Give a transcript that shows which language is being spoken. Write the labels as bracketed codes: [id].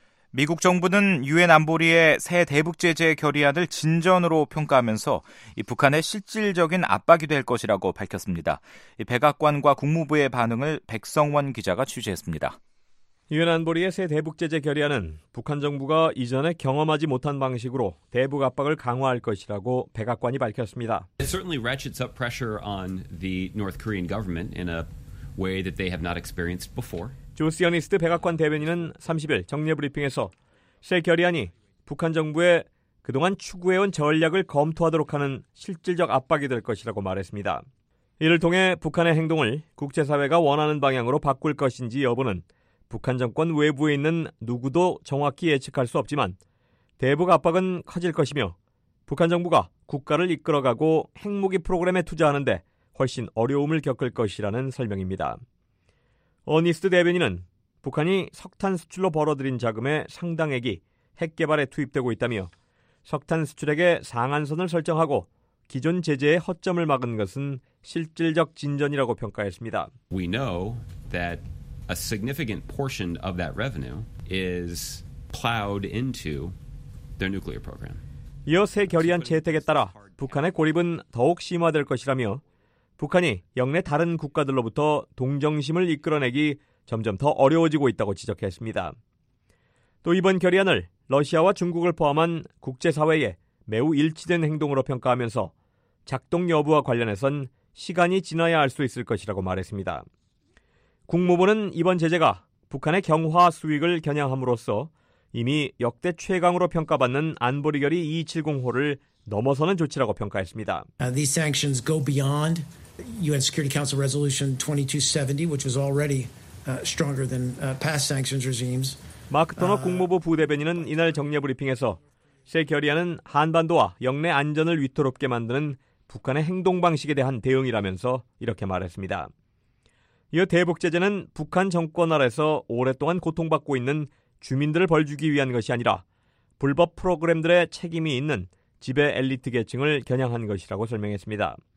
[ko] 미국 정부는 유엔 안보리의 새 대북 제재 결의안을 진전으로 평가하면서 이 북한의 실질적인 압박이 될 것이라고 밝혔습니다. 이 백악관과 국무부의 반응을 백성원 기자가 취재했습니다. 유엔 안보리의 새 대북 제재 결의안은 북한 정부가 이전에 경험하지 못한 방식으로 대북 압박을 강화할 것이라고 백악관이 밝혔습니다. [en] It certainly ratchets up pressure on the North Korean government in a way that they have not experienced before. [ko] 조스 연이스트 백악관 대변인은 30일 정례 브리핑에서 새 결의안이 북한 정부의 그동안 추구해온 전략을 검토하도록 하는 실질적 압박이 될 것이라고 말했습니다. 이를 통해 북한의 행동을 국제사회가 원하는 방향으로 바꿀 것인지 여부는 북한 정권 외부에 있는 누구도 정확히 예측할 수 없지만 대북 압박은 커질 것이며 북한 정부가 국가를 이끌어가고 핵무기 프로그램에 투자하는 데 훨씬 어려움을 겪을 것이라는 설명입니다. 어니스트 대변인은 북한이 석탄 수출로 벌어들인 자금의 상당액이 핵 개발에 투입되고 있다며 석탄 수출액의 상한선을 설정하고 기존 제재의 허점을 막은 것은 실질적 진전이라고 평가했습니다. [en] We know that a significant portion of that revenue is plowed into their nuclear program. [ko] 이어 새 결의안 채택에 따라 북한의 고립은 더욱 심화될 것이라며 북한이 영내 다른 국가들로부터 동정심을 이끌어내기 점점 더 어려워지고 있다고 지적했습니다. 또 이번 결의안을 러시아와 중국을 포함한 국제사회에 매우 일치된 행동으로 평가하면서 작동 여부와 관련해선 시간이 지나야 알 수 있을 것이라고 말했습니다. 국무부는 이번 제재가 북한의 경화 수익을 겨냥함으로써 이미 역대 최강으로 평가받는 안보리 결의 270호를 넘어서는 조치라고 평가했습니다. [en] These sanctions go beyond UN Security Council Resolution 2270, which was already stronger than past sanctions regimes. [ko] 마크 터너 국무부 부대변인은 이날 정례 브리핑에서 새 결의안은 한반도와 영내 안전을 위태롭게 만드는 북한의 행동 방식에 대한 대응이라면서 이렇게 말했습니다. 이어 대북 제재는 북한 정권 아래서 오랫동안 고통받고 있는 주민들을 벌주기 위한 것이 아니라 불법 프로그램들의 책임이 있는 지배 엘리트 계층을 겨냥한 것이라고 설명했습니다.